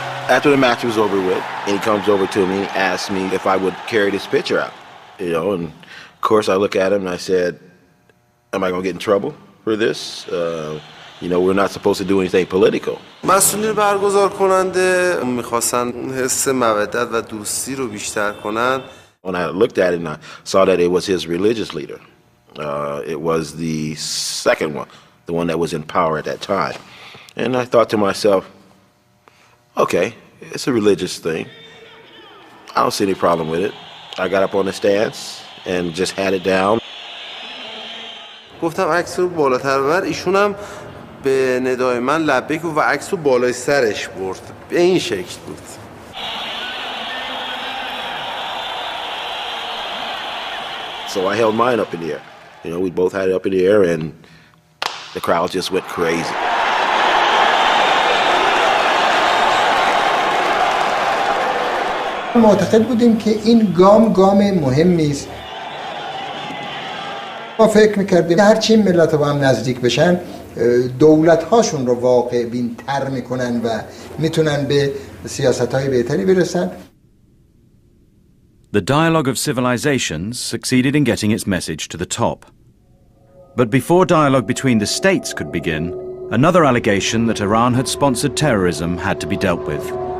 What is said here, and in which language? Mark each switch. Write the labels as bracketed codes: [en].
[en] After the match was over with, and he comes over to me, asks me if I would carry this picture out. You know, and of course I look at him and I said, am I going to get in trouble for this? You know, we're not supposed to do anything political. [fa] مسئولین برگزار کننده میخواستن حس مودت و دوستی رو بیشتر کنن. [en] When I looked at it and I saw that it was his religious leader. It was the second one, the one that was in power at that time. And I thought to myself, okay, it's a religious thing. I don't see any problem with it. I got up on the stands and just had it down. [fa] گفتم عکس رو بالاتر ببر. ایشون هم به ندای من لبه گفت و عکس رو بالای سرش برد. به این شکل بود. [en] So I held mine up in the air. You know, we both had it up in the air and the crowd just went crazy. [fa] معتقد بودیم که این گام مهمی است. ما فکر می‌کردیم هر چی ملت‌ها با هم نزدیک بشن، دولت‌هاشون رو واقع‌بین‌تر می‌کنن و می‌تونن به سیاست‌های بهتری برسن. [en] The Dialogue of Civilizations succeeded in getting its message to the top. But before dialogue between the states could begin, another allegation that Iran had sponsored terrorism had to be dealt with.